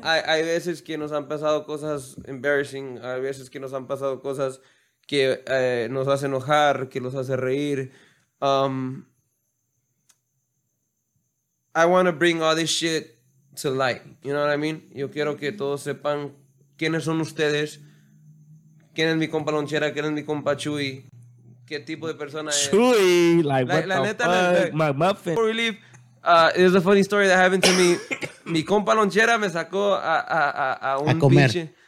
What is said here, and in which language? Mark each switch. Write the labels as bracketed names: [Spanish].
[Spanish] Hay veces que nos han pasado cosas embarrassing. Hay veces que nos han pasado cosas que nos hace enojar, que nos hace reír. [English] I want to bring all this shit to light. You know what I mean? [Spanish] Yo quiero que todos sepan quiénes son ustedes. Quién es mi compa Lonchera, quién es mi compa Chuy. ¿Qué tipo de persona es? Chuy, McMuffin. [English] Before we leave, there's a funny story that happened to me. [Spanish] Mi compa Lonchera me sacó a un pinche...